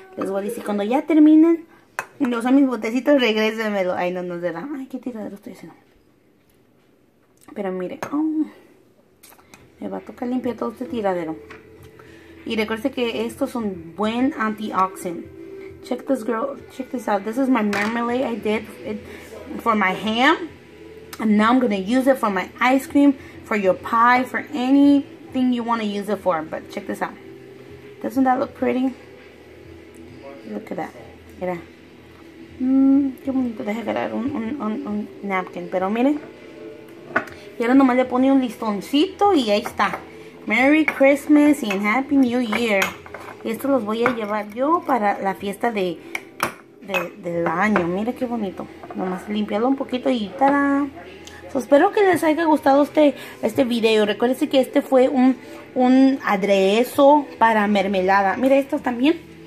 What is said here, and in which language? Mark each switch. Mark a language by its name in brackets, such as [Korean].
[Spanish] Les voy a decir, cuando ya terminen, no usan mis botecitos, regrésenmelo. Ay, no nos dará. Ay, qué tiradero estoy haciendo. Pero mire. Oh, me va a tocar limpiar todo este tiradero. Y recuerde que estos son buen antioxidant. [English] Check this girl, check this out. This is my marmalade I did it for my ham. And now I'm going to use it for my ice cream, for your pie, for anything you want to use it for. But check this out. Doesn't that look pretty? Look at that. [Spanish] Mira. Qué bonito. Deja agarrar un napkin. Pero miren. Y ahora nomás le pone un listoncito y ahí está. [English] Merry Christmas and Happy New Year. [Spanish] Estos los voy a llevar yo para la fiesta del año. Mira qué bonito. Nomás limpiarlo un poquito y ¡tada! So, espero que les haya gustado este video. Recuerden que este fue un aderezo para mermelada. Mira estos también.